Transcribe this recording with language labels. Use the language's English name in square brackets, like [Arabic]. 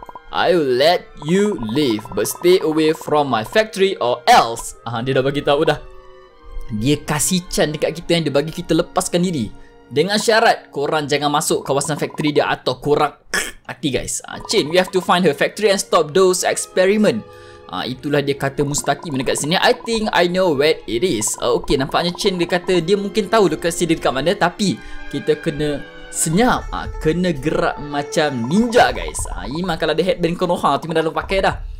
[English] I'll let you leave, but stay away from my factory or else. [Malay] Dia dah bagi tahu dah. Dia kasih can dekat kita yang dia bagi kita lepaskan diri. Dengan syarat, korang jangan masuk kawasan factory dia atau korang mati guys. [English] Chain, we have to find her factory and stop those experiment. [Malay] Itulah dia kata mustaqim dekat sini. [English] I think I know where it is. [Malay] Okay, nampaknya Chain dia kata dia mungkin tahu lokasi dia dekat mana, tapi kita kena senyap. Kena gerak macam ninja guys. Iman kalau ada headband Konoha, Iman dah lupa pakai dah.